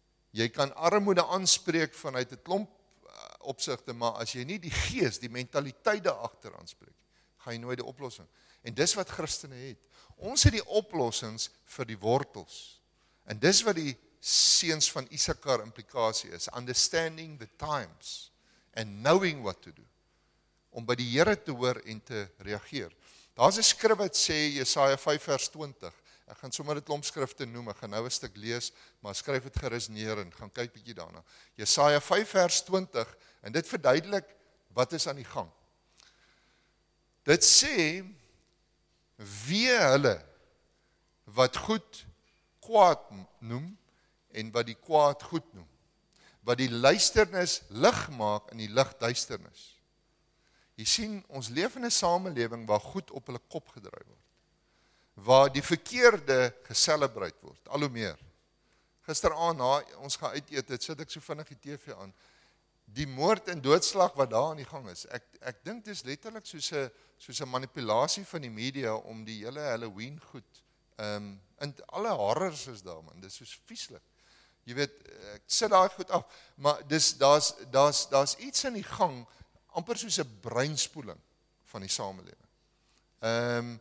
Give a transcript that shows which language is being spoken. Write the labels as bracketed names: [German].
[Afrikaans] Jy kan armoede aanspreek vanuit 'n klomp opsigte, maar as jy nie die gees, die mentaliteit daarachter aanspreek, ga jy nooit die oplossing. En dis wat Christene het. Ons het die oplossings vir die wortels. En dis wat die seuns van Issakar implikasie is. [English] Understanding the times and knowing what to do. [Afrikaans] Om by die Here te hoor en te reageer. Daar's 'n skrif wat sê Jesaja 5 vers 20. Ek gaan sommer dit klomp skrifte noem. Ek gaan nou 'n stuk lees, maar skryf dit gerus neer en gaan kyk bietjie daarna. Jesaja 5 vers 20 en dit verduidelik wat is aan die gang. Dit sê wee hulle wat goed kwaad noem en wat die kwaad goed noem. Wat die luisternis lig maak in die lig duisternis. Jy sien, ons leef in 'n samelewing waar goed op hulle kop gedraai word. Waar die verkeerde geselebreid word, al hoe meer. Gisteraand na ons gaan uit eet, het sit ek so vinnig die TV aan. Die moord en doodslag wat daar aan die gang is, ek dink dit is letterlik soos 'n manipulasie van die media om die hele Halloween goed, en alle horrors is daar, man, dis soos vieslik. Jy weet, ek sit daar goed af, maar dis, daar's iets in die gang, amper soos 'n breinspoeling van die samelewing.